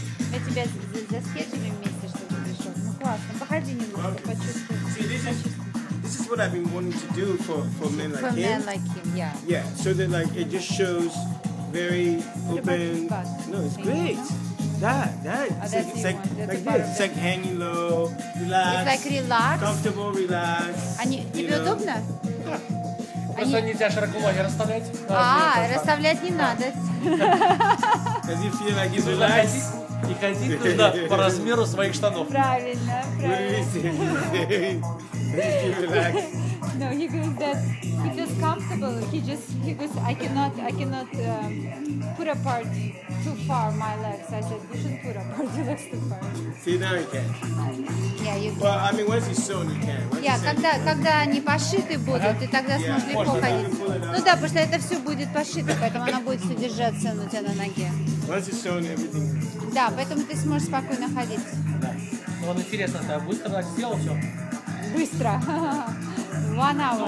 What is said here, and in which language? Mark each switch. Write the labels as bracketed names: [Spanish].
[Russian] Мы тебя заскеджили вместе, чтобы пришел. Ну классно, походи немного, почувствуй. [English] See, this is what I've been wanting to do for men like him. For men like him, yeah. Yeah, so that like it just shows very open. No, it's great. It's like hanging low, relaxed. It's like relaxed. Comfortable, relaxed. [Russian] Тебе удобно? Просто нельзя широко ноги расставлять. Расставлять не надо. [English] Because you feel like you're relaxed. [Russian] И ходить нужно по размеру своих штанов. Правильно. [English] No, he goes that he feels comfortable. He goes, I cannot put apart too far my legs. I said, you shouldn't put apart your legs too far. See, now you can. Yeah, you can. Well, I mean, once he's sewn, you can. [Russian] Когда они пошиты будут, ты тогда сможешь легко ходить. Ну да, потому что это все будет пошито, поэтому она будет все держаться у тебя на ноге. [English] Once he's sewn, everything. [Russian] Да, поэтому ты сможешь спокойно ходить. Да. Ну вот интересно, ты быстро так сделал все? Быстро. [English] One hour.